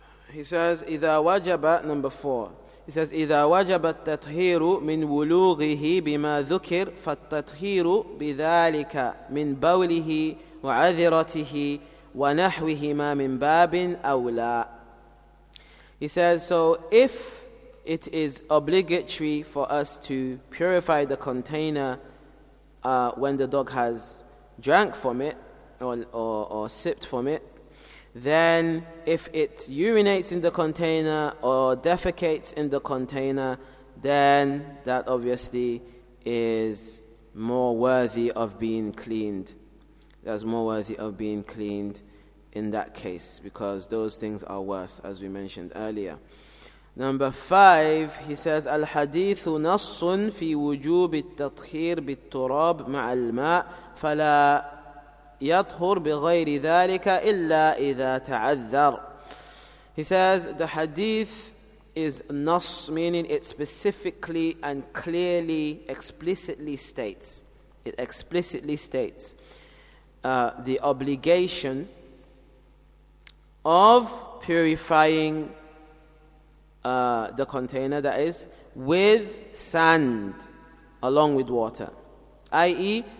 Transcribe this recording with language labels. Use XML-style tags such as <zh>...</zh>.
<en>He says,</en> <ar>إذا وجب,</ar> <en>number four. He says,</en> <ar>إذا وجب التطهير من ولوغه بما ذكر فالتطهير بذلك من بوله وعذرته ونحوهما من باب أولى.</ar> <en>He says, so if it is obligatory for us to purify the container when the dog has drank from it or sipped from it, then if it urinates in the container or defecates in the container, then that obviously is more worthy of being cleaned. That's more worthy of being cleaned in that case, because those things are worse, as we mentioned earlier. Number five, he says,</en> <ar>الحديث نص في وجوب التطهير بالتراب مع الماء فلا يطهر بغير ذلك إلا إذا تعذر.</ar> <en>He says, the hadith is nas, meaning it specifically and clearly, explicitly states. It explicitly states the obligation of purifying the container, that is, with sand along with water, i.e.</en>